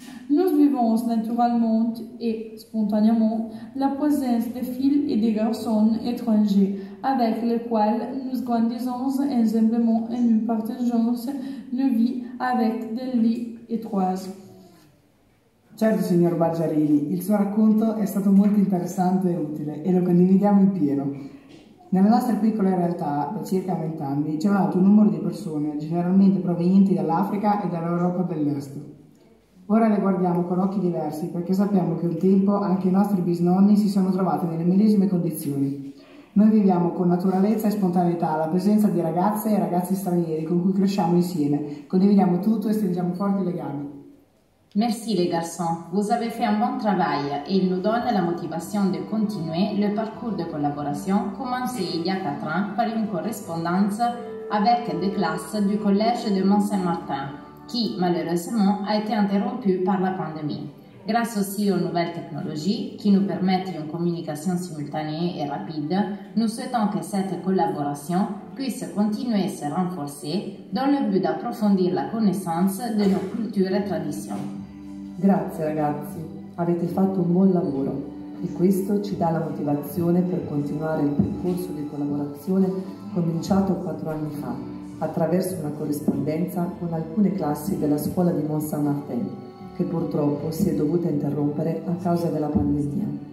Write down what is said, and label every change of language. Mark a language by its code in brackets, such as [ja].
[fr] Nous vivons naturellement et spontanément la présence de filles et de garçons étrangers avec lesquels nous grandissons ensemblement et nous partageons nos vies avec des lits étroits. [it] Certo, signor Baggiarini, il suo racconto è stato molto interessante e utile e lo condividiamo in pieno. Nella nostra piccola realtà, da circa 20 anni, c'è un alto numero di persone, generalmente provenienti dall'Africa e dall'Europa dell'Est. Ora le guardiamo con occhi diversi, perché sappiamo che un tempo anche i nostri bisnonni si sono trovati nelle medesime condizioni. Noi viviamo con naturalezza e spontaneità la presenza di ragazze e ragazzi stranieri con cui cresciamo insieme, condividiamo tutto e stringiamo forti legami. [fr] Merci les garçons, vous avez fait un bon travail et il nous donne la motivation de continuer le parcours de collaboration commencé il y a 4 ans par une correspondance avec des classes du Collège de Mont-Saint-Martin, qui malheureusement a été interrompue par la pandémie. Grâce aussi aux nouvelles technologies qui nous permettent une communication simultanée et rapide, nous souhaitons que cette collaboration puisse continuer à se renforcer dans le but d'approfondir la connaissance de nos cultures et traditions. [it] Grazie ragazzi, avete fatto un buon lavoro e questo ci dà la motivazione per continuare il percorso di collaborazione cominciato 4 anni fa attraverso una corrispondenza con alcune classi della scuola di Mont Saint-Martin, che purtroppo si è dovuta interrompere a causa della pandemia.